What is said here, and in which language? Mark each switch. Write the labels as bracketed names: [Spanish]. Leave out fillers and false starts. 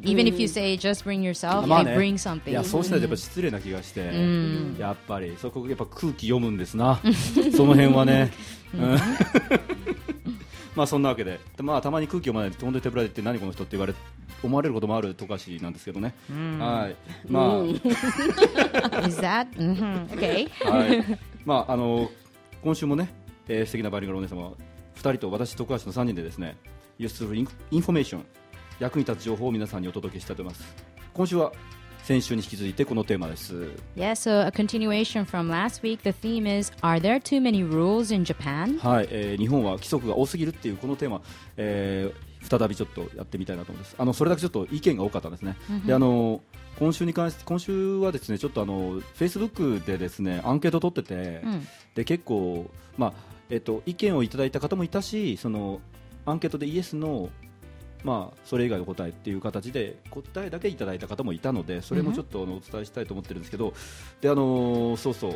[English] Even if you say just bring yourself, they bring something. [Japanese] Yeah, そうしないとやっぱ失礼な気がして。やっぱりそこやっぱ空気読むんですな。その辺はね。まあそんなわけで、まあたまに空気読まないと本当に手ぶらでって何この人って言われ思われることもあるとかしなんですけどね。はい。まあ。 [English] Is that okay? [Japanese] はい。まあ今週もね、素敵なバイリンガルお姉さま。 2人と私徳橋の3人でですね、ユースフルインフォメーション、役に立つ情報を皆さんにお届けしたいと思います。今週は先週に引き続いてこのテーマです。 [English] Yeah, so a continuation from last week, the theme is Are there too many rules in Japan? [Japanese] はい、日本は規則が多すぎるっていうこのテーマ、再びちょっとやってみたいなと思います。それだけちょっと意見が多かったんですね。で、今週に関して今週はですね、ちょっとFacebook でですねアンケート取ってて、で結構まあ意見をいただいた方もいたし、そのアンケートでイエスの、まあ、それ以外の答えっていう形で答えだけいただいた方もいたので、それもちょっとお伝えしたいと思ってるんですけど、で、そうそう、